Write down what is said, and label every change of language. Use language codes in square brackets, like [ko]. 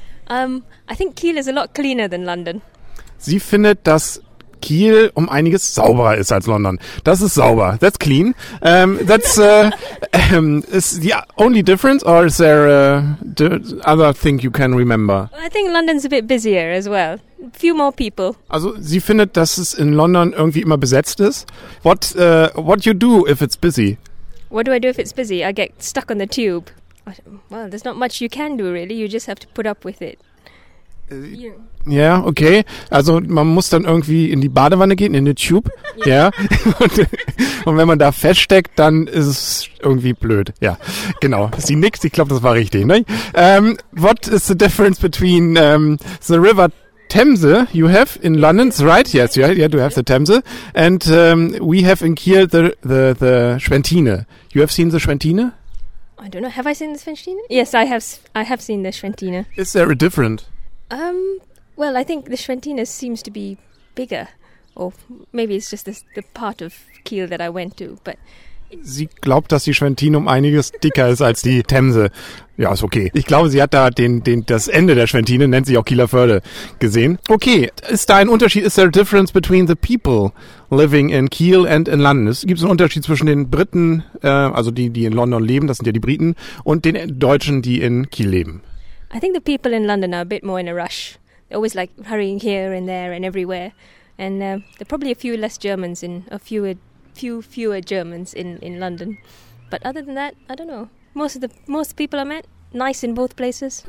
[en] I think Kiel is a lot cleaner than London. [de] Sie findet, dass Kiel um einiges sauberer ist als London. Das ist sauber. [en] That's clean. Is the only difference, or is there other thing you can remember? I think London's a bit busier as well. A few more people. [de] Also, sie findet, dass es in London irgendwie immer besetzt ist. [en] What you do if it's busy? What do I do if it's busy? I get stuck on the tube. Well, there's not much you can do, really. You just have to put up with it. [de] Ja, okay. Also man muss dann irgendwie in die Badewanne gehen, in eine Tube. Ja. Und wenn man da feststeckt, dann ist es irgendwie blöd. Ja, genau. Sie nickt, ich glaube, das war richtig. Ne? [en] What is the difference between the River Themse you have in London? Right, yes, yeah, you have the Themse. And we have in Kiel the Schwentine. You have seen the Schwentine? I don't know. Have I seen the Schwentine? Yes, I have seen the Schwentine. Is there a difference? Well, I think the Schwentine seems to be bigger, or maybe it's just the part of Kiel that I went to, but... [de] Sie glaubt, dass die Schwentine um einiges dicker ist als die Themse. Ja, ist okay. Ich glaube, sie hat da das Ende der Schwentine, nennt sich auch Kieler Förde, gesehen. [en] Okay, [de] ist da ein Unterschied, [en] is there a difference between the people living in Kiel and in London? [de] Gibt es einen Unterschied zwischen den Briten, also die in London leben, das sind ja die Briten, und den Deutschen, die in Kiel leben? [en] I think the people in London are a bit more in a rush. They're always like hurrying here and there and everywhere. And there are probably a few fewer Germans in London. But other than that, I don't know. Most people I met, nice in both places.